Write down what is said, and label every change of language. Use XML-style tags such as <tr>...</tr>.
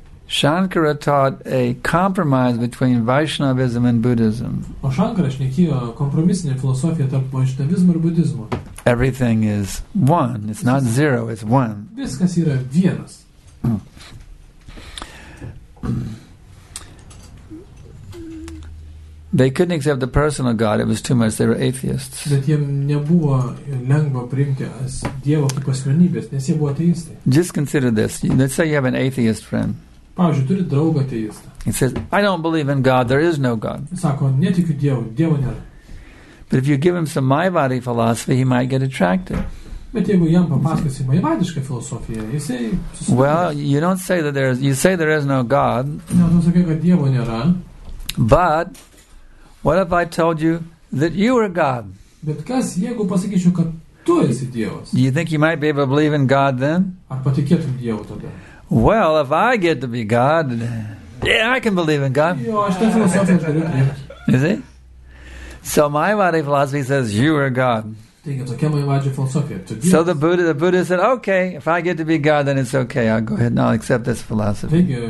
<en>Shankara taught a compromise between Vaishnavism and Buddhism.</en> <lt>O Shankara šnekėjo kompromisinę filosofiją tarp Vaishnavizmo ir Budizmo.</lt> <en>Everything is one. It's not zero, it's one.</en> <lt>Viskas yra vienas.</lt> <en>They couldn't accept the personal God. It was too much. They were atheists.</en> <lt>Bet jiem nebuvo lengva priimti Dievo kaip asmenybės, nes jie buvo ateistai.</lt> <en>Just consider this. Let's say you have an atheist friend.</en> <lt>Pavyzdžiui, turi draugą ateistą.</lt> <en>He says, I don't believe in God. There is no God.</en> <lt>Sako, netikiu Dievu. Dievo nėra.</lt> <en>But if you give him some Mayavadi philosophy, he might get attracted.</en> <lt>Bet jeigu jam papasakosi Mayavadišką filosofiją, jisai...</lt> <en>Well, you don't say that there is... You say there is no God.</en> <lt>Ne, tu sakai, kad Dievo nėra.</lt> <en>But... What if I told you that you are God?</en> <lt>Bet kas, jeigu pasakyčiau, kad tu esi Dievas?</lt> <en>You think you might be able to believe in God then?</en> <lt>Ar patikėtum Dievu tada?</lt> <en>Well, if I get to be God, yeah, I can believe in God.</en> <lt>Jo, aš tai filosofijos galiu tikėti.</lt> <en>You see? So my body philosophy says you are God. So the Buddha said, okay, if I get to be God, then it's okay. I'll go ahead and I'll accept this philosophy.</en>